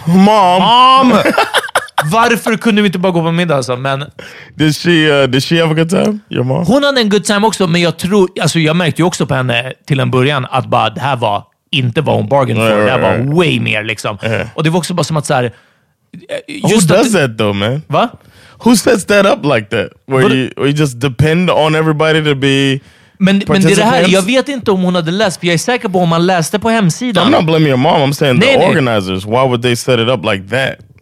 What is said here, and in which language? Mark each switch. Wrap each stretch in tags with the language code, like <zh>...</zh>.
<en>mom!</en> <sv>Varför kunde vi inte bara gå på middag alltså? Men</sv> <en>did she have a good time? Your mom?</en> <sv>Hon hade en</sv> <en>good time</en> <sv>också, men jag tror, alltså jag märkte ju också på henne till en början att bara det här var inte vad hon</sv> <en>bargained for.</en> <sv>Det här var</sv> <en>way</en> <sv>mer liksom. Och det var också bara som att så här,</sv> <en>just who does that though, man?</en> <sv>Va?</sv> <en>Who sets that up like that? Where you just depend on everybody to be.</en> <sv>Men det här, jag vet inte om hon hade läst, för jag är säker på om man läste på hemsidan.</sv> <en>I'm not blaming your mom, I'm saying the organizers. Why would they set it up like that?</en>